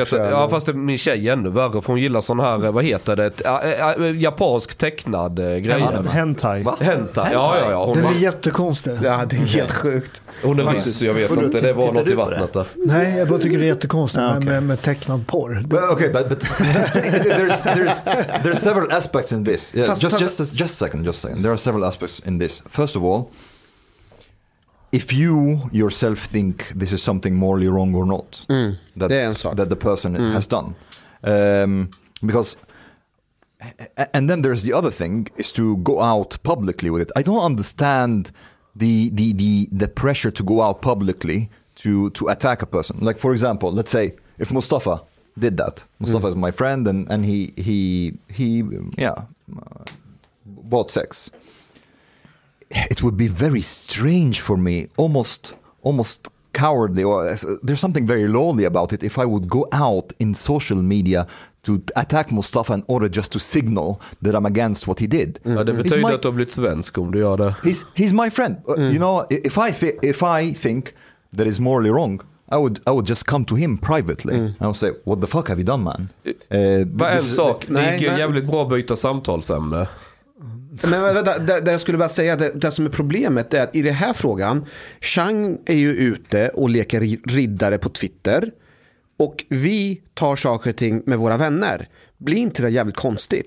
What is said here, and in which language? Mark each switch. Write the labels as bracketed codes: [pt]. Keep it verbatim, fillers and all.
[sv] också. T- ja, fast det, min tjej är ännu värre, för hon gillar sån här, vad heter det? Ett, ä, ä, japansk tecknad äh, grej. Hentai. Va? Hentai, ja, ja, ja. Den var... är jättekonstig. Ja, det är helt sjukt. Hon är rysk, jag vet inte. Det var något i vattnet där. Nej, jag bara tycker det är jättekonstigt ah, okay. med, med tecknad porr. [en] Well, okay, but, but there's, there's, there's several aspects in this. Yeah, fast, just, fast, just, just a second, just a second. There are several aspects in this. First of all, if you yourself think this is something morally wrong or not, mm, that, [sv] det är en sak. [en] that the person mm. has done. Um, because, and then there's the other thing, is to go out publicly with it. I don't understand the the the, the pressure to go out publicly to, to attack a person. Like, for example, let's say if Mustafa did that. Mustafa mm. is my friend and, and he, he, he, yeah, bought sex. It would be very strange for me, almost almost cowardly, or there's something very lowly about it if I would go out in social media to attack Mustafa in order just to signal that I'm against what he did. [sv] Mm. Ja, det betyder my, att du har blivit svensk om du gör det. [en] He's, he's my friend. Mm. You know, if I, th- if I think that is morally wrong, I would, I would just come to him privately. Mm. I would say, what the fuck have you done, man? [sv] Uh, Bara en sak, det är ju jävligt bra att byta samtalsämne. Men vänta, där, där jag skulle bara säga att det, det som är problemet är att i den här frågan, Chang är ju ute och leker riddare på Twitter. Och vi tar saker och ting med våra vänner. Blir inte det jävligt konstigt?